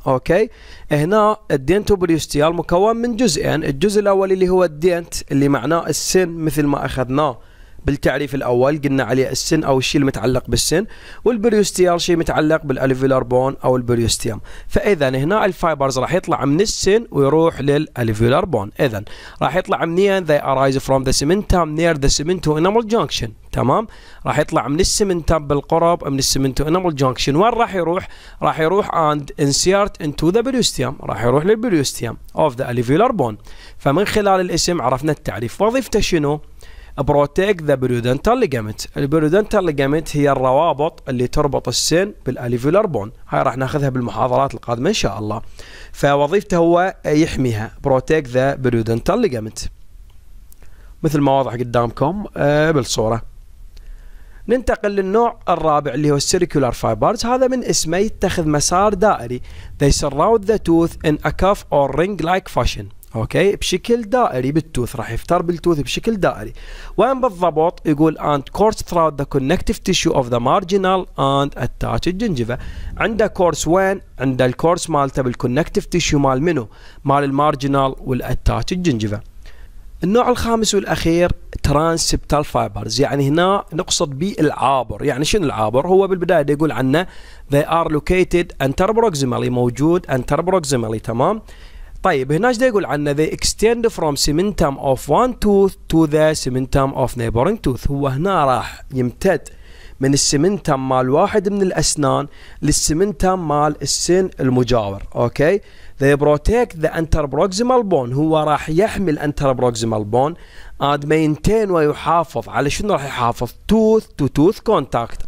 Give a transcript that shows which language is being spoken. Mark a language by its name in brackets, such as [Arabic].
[Arabic] اوكي, هنا الدينتو بريوستيال مكون من جزئين, الجزء الاول اللي هو الدينت اللي معناه السن مثل ما اخذناه بالتعريف الاول قلنا عليه السن او الشيء المتعلق بالسن, والبريوستيال شيء متعلق بالاليفولار بون او البريوستيام. فاذا هنا الفايبرز راح يطلع من السن ويروح للاليفولار بون. اذا راح يطلع منين؟ [English] they arise from the cementum near the cemento enamel junction. [Arabic] تمام, راح يطلع من السمنتم بالقرب من السمنتو انامل جونكشن. وين راح يروح؟ راح يروح [English] and insert into the periosteum, [Arabic] راح يروح للبريوستيام اوف ذا اليفولار بون. فمن خلال الاسم عرفنا التعريف. وظيفته شنو؟ [English] Protect the periodontal ligament. [Arabic] البريودنتال ليجامنت هي الروابط اللي تربط السن بالاليفولار بون, هاي راح ناخذها بالمحاضرات القادمه ان شاء الله. فوظيفته هو يحميها, [English] protect the periodontal ligament [Arabic] مثل ما واضح قدامكم بالصورة. ننتقل للنوع الرابع اللي هو السيركولار فايبرز, هذا من اسمه يتخذ مسار دائري. [English] They surround the tooth in a cuff or ring like fashion. [Arabic] اوكي, بشكل دائري بالتوث, راح يفتر بالتوث بشكل دائري. وين بالضبط؟ يقول [English] and course throughout the connective tissue of the marginal and attached gingiva. [Arabic] عنده كورس وين؟ عند الكورس مالته بالconnective tissue مال منو؟ مال المارجنال والattached gingiva. النوع الخامس والأخير transseptal fibers, يعني هنا نقصد بالعابر. يعني شنو العابر؟ هو بالبداية يقول عنه [English] they are located anteroproximally, [Arabic] موجود anteroproximally. تمام, طيب هنا ايش يقول عنه؟ [English] they extend from cementum of one tooth to the cementum of neighboring tooth. [Arabic] هو هنا راح يمتد من السمنتم مال واحد من الأسنان للسمنتم مال السن المجاور. أوكي, [English] they protect the anteroproximal bone, [Arabic] هو راح يحمي الانتربروكسيمال بون [English] and maintain, [Arabic] ويحافظ على شنو راح يحافظ؟ [English] tooth to tooth contact.